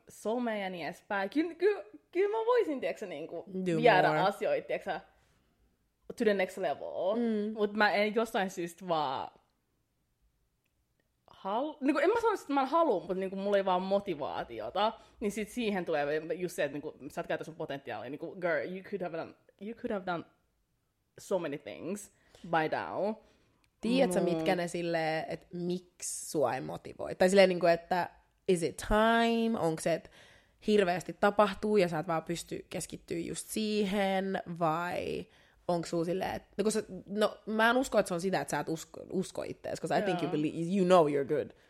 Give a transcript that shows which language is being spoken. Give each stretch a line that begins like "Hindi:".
Finnish: Somea ja niin edespäin. Kyllä mä voisin, tiedäksä, niin kuin viedä asioita, tiedäksä,
English: to the next level.
Finnish: Mm. Mut mä en jostain syystä vaan niin kuin, en mä sano, että mä en halua, mutta niin kuin, mulla ei vaan motivaatiota. Niin sit siihen tulee just se, että niin kuin, sä et käytä sun potentiaalia. Niin kuin,
English: girl, you could have done so many things by now.
Finnish: Tiedätkö, mitkä ne silleen, että miksi sua ei motivoi? Tai silleen, niin kuin, että
English: is it time?
Finnish: Onko se, että hirveästi tapahtuu ja sä et vaan pysty keskittyä just siihen? Vai onko sun silleen, että, niin sä, no, mä en usko, että se on sitä, että sä et usko itseäsi, koska
English: I think you believe, you know you're good.